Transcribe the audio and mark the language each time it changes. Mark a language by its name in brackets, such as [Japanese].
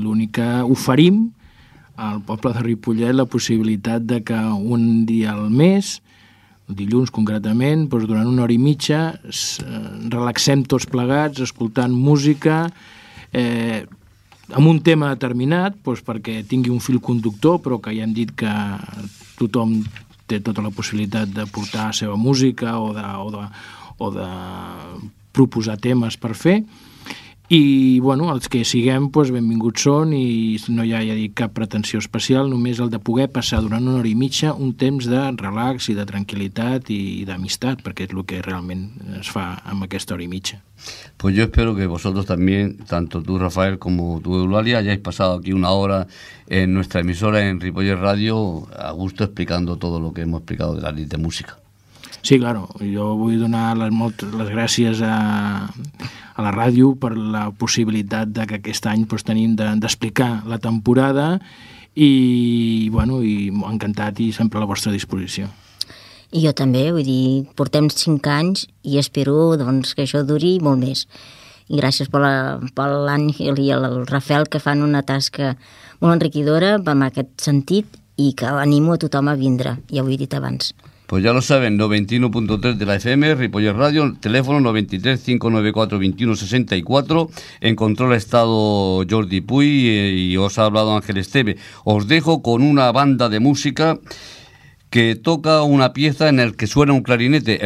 [Catalan] L'únic que oferim al poble de Ripollet la possibilitat de que un dia al mes, dilluns concretament, doncs durant una hora i mitja, relaxem tots plegats, escoltant música, amb un tema determinat, doncs perquè tingui un fil conductor, però que ja hem dit que tothom té tota la possibilitat de portar la seva música o de proposar temes per fer. I, bueno, els que siguem, doncs benvinguts són, i no hi ha, ja dic, cap pretensió especial, només el de poder passar durant una hora i mitja un temps de relax i de tranquil·litat i d'amistat, perquè és el que realment es fa amb aquesta hora i mitja. [Spanish] Pues yo espero que vosotros también, tanto tú, Rafael, como tú, Eulalia, hayáis pasado aquí una hora en nuestra emisora, en Ripollet Radio, a gusto explicando todo lo que hemos explicado de la nit de música. [Catalan] Sí, claro, jo vull donar les gràcies a la ràdio per la possibilitat de que aquest any pues, tenim d'explicar la temporada i encantat i sempre a la vostra disposició. I jo també, vull dir, portem 5 anys i espero doncs, que això duri molt més. I gràcies per l'Àngel i el Rafael, que fan una tasca molt enriquidora en aquest sentit i que animo a tothom a vindre, ja ho he dit abans. [Spanish] Pues ya lo saben, 91.3 de la FM, Ripollet Radio, teléfono 93-594-2164, en control ha estado Jordi Puy y os ha hablado Ángel Esteve. Os dejo con una banda de música que toca una pieza en la que suena un clarinete.